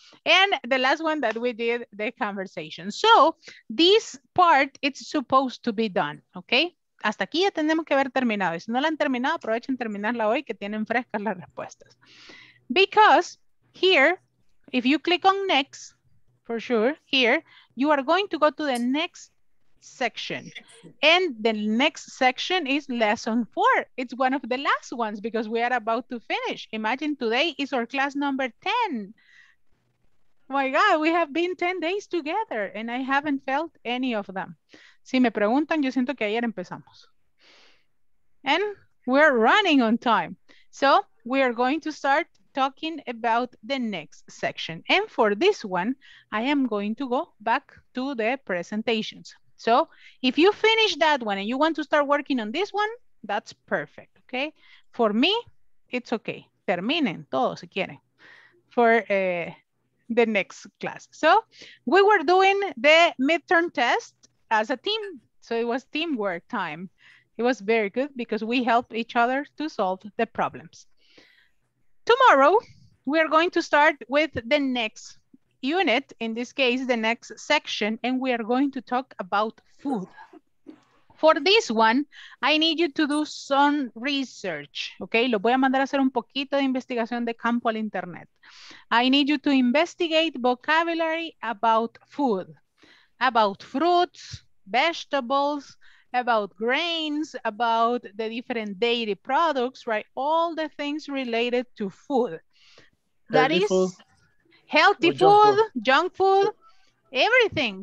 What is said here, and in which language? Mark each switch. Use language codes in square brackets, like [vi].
[en] And the last one that we did, the conversation. So, this part, it's supposed to be done, okay? [es] Hasta aquí ya tenemos que haber terminado. Y si no la han terminado, aprovechen terminarla hoy que tienen frescas las respuestas. [en] Because here, if you click on next, for sure, here, you are going to go to the next section. And the next section is lesson 4. It's one of the last ones because we are about to finish. Imagine today is our class number 10. My God, we have been 10 days together and I haven't felt any of them. [es] Si me preguntan, yo siento que ayer empezamos. [en] And we're running on time. So we are going to start talking about the next section. And for this one, I am going to go back to the presentations. So if you finish that one and you want to start working on this one, that's perfect, okay? For me, it's okay. [es] Terminen todo si quieren. [en] For... the next class. So we were doing the midterm test as a team. So it was teamwork time. It was very good because we helped each other to solve the problems. Tomorrow, we are going to start with the next unit, in this case, the next section, and we are going to talk about food. For this one, I need you to do some research, okay? [es] Lo voy a mandar a hacer un poquito de investigación de campo al internet. [en] I need you to investigate vocabulary about food, about fruits, vegetables, about grains, about the different dairy products, right? All the things related to food. That is healthy food, junk food, everything.